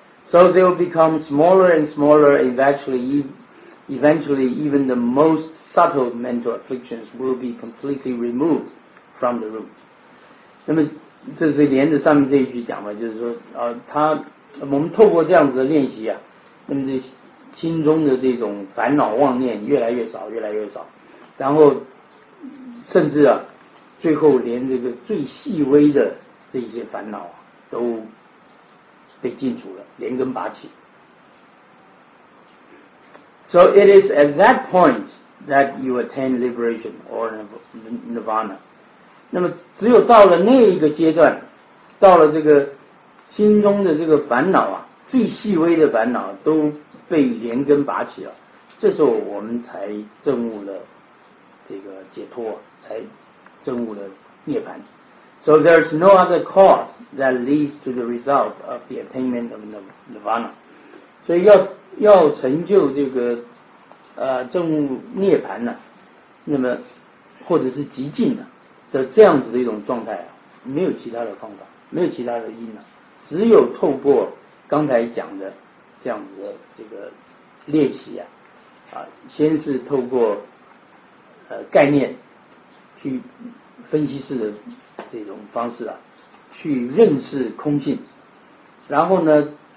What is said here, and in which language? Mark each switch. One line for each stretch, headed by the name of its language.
English: So they will become smaller and smaller eventually even the most subtle mental afflictions will be completely removed from the room。
Chinese: 那么这是连着上面这一句讲嘛，就是说我们透过这样子的练习啊，那么这心中的这种烦恼妄念越来越少越来越少，然后甚至啊最后连这个最细微的这些烦恼、啊、都被禁除了，连根拔起。
English: So it is at that point that you attain liberation or nirvana。
Chinese: 那么只有到了那一个阶段，到了这个心中的这个烦恼啊，最细微的烦恼都被连根拔起了，这时候我们才证悟了这个解脱，才证悟了涅槃。
English: So there is no other cause that leads to the result of the attainment of nirvana。
Chinese: 所以要成就这个证悟涅槃呢、啊，那么或者是极尽呢、啊、的这样子的一种状态啊，没有其他的方法，没有其他的因呢、啊，只有透过刚才讲的这样子的这个练习啊，啊，先是透过概念去分析式的这种方式啊，去认识空性，然后呢，